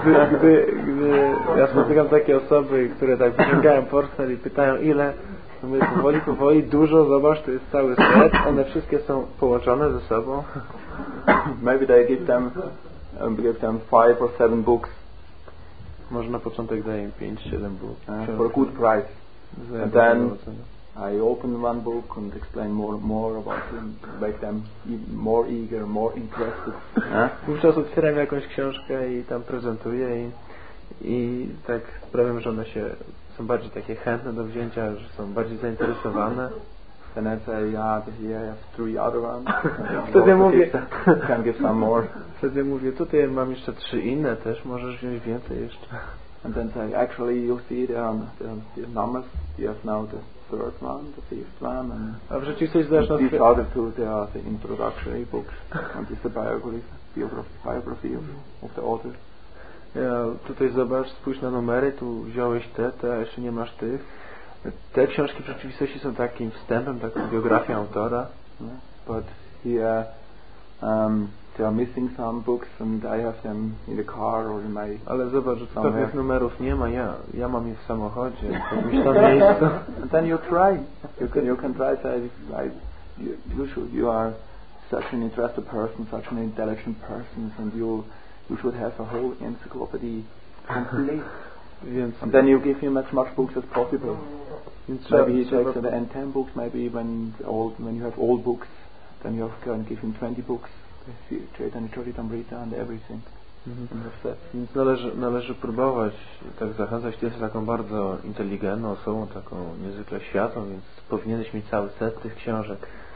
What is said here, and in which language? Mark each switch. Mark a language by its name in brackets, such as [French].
[Polish] gdy ja spotykam takie osoby, które tak wyciągają portfel i pytają, ile. My powoli, dużo, zobacz, to jest cały set, one wszystkie są połączone ze sobą. [English] Maybe they give them 5 or 7 books. [Polish] Może na początek daję im 5-7 [English] book. For a good price. And then I open one book and explain more about them, make them more eager, more interested. [Polish] Wówczas otwieram jakąś książkę i tam prezentuję i tak sprawiam, że one się są bardziej takie chętne do wzięcia, że są bardziej zainteresowane. [English] Then I say, yeah, I have 3 other ones. [Polish] Wtedy mówię, tutaj mam jeszcze 3 inne, też możesz wziąć więcej jeszcze. [English] And then say, actually, you see the numbers. You have now the third one, the fifth one, and these other two. They are the introductory books, and this is the biography of the author. [Polish] Ja, tutaj zobacz, spójrz na numery, tu wziąłeś te, jeszcze nie masz tych. Te książki w rzeczywistości są takim wstępem, taką biografią autora. [English] But here there are missing some books and I have them in the car or in my... [Polish] Ale zobacz, że tych numerów nie ma, ja mam je w samochodzie, jakbyś tam miejsce. [English] And then you try. You can try to write. You are such an interested person, such an intelligent person, and you should have a whole encyclopedia complete. And then you give him as much books as possible. Maybe he takes the end 10 books, maybe when you have old books, then you can give him 20 books, Chaitanya Charitamrita and everything. Mm-hmm. [Polish] Więc należy próbować tak zachęcać. Ty jesteś taką bardzo inteligentną osobą, taką niezwykle światą, więc powinieneś mieć cały set tych książek.